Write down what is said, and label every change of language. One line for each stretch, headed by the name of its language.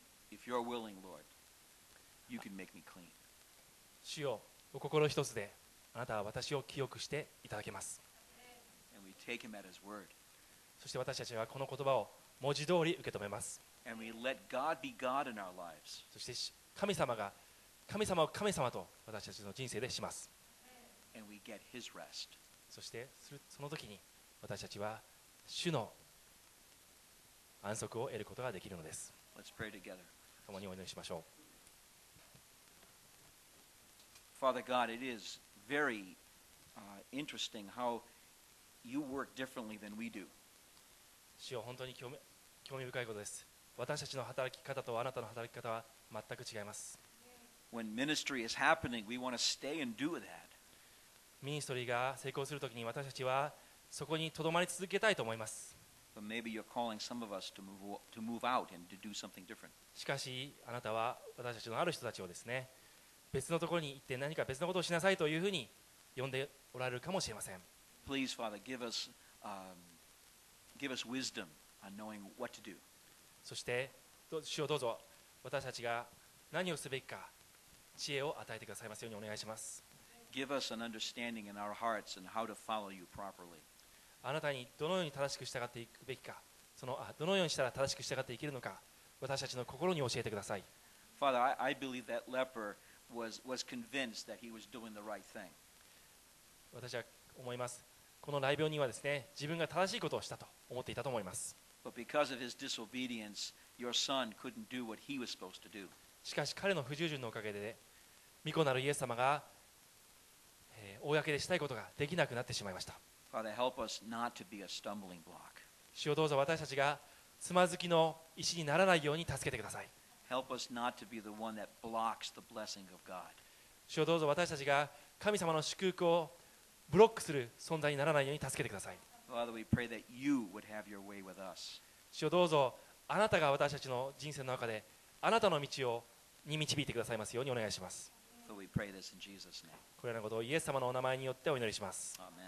English: If you're willing, Lord, you can make me clean.
Japanese: 主よ、お心一つであなたは私を清くしていただけます。
English: And we take him at his word.
Japanese: そして私たちはこの言葉を文字通り受け止めます。
English: And we let God be God in our lives.
Japanese: そして神様を神様と私たちの人生でします。
English: And we get his rest.
Japanese: そしてその時に私たちは主の安息を得ることができるのです。
English: Let's pray together.
Japanese: 共にお祈りしましょう。
English: Father God, it is very interesting how you work differently than we do.
Japanese: 主よ、本当に興味深いことです。私たちの働き方とあなたの働き方は全く違います。
English: When ministry is happening, we want to stay and do that.
Japanese: ミニストリーが成功するときに私たちはそこにとどまり続けたいと思います。
English: But maybe you're calling some of us to move out and to do something different.
Japanese: しかしあなたは私たちのある人たちをですね、別のところに行って何か別のことをしなさいというふうに呼んでおられるかもしれません。
English: Please, Father, give us wisdom on knowing what to do.
Japanese: そして主よ、どうぞ私たちが何をすべきか知恵を与えてくださいますようにお願いします。
English: Give us an understanding in our hearts and how to follow you properly.
Japanese: あなたにどのように正しく従っていくべきか、どのようにしたら正しく従っていけるのか、私たちの心に教えてください。
English: Father, I believe that leper was convinced that he was doing the right thing.
Japanese: 私は思います。この雷病人はですね、自分が正しいことをしたと思っていたと思います。
English: But because of his disobedience, your son couldn't do what he was supposed to do.
Japanese: しかし彼の不従順のおかげで、御子なるイエス様が、公でしたいことができなくなってしまいました。
English: Father, help us not to be a stumbling block.
Japanese: 主よ、どうぞ私たちがつまずきの石にならないように助けてください。
English: Help us not to be the one that blocks the blessing of God.
Japanese: 主よ、どうぞ私たちが神様の祝福をブロックする存在にならないように助けてください。
English: Father, we pray that you would have your way with us.
Japanese: 主よ、どうぞあなたが私たちの人生の中であなたの道に導いてくださいますようにお願いします。
English: So we pray this in Jesus' name.
Japanese: これらのことをイエス様のお名前によってお祈りします。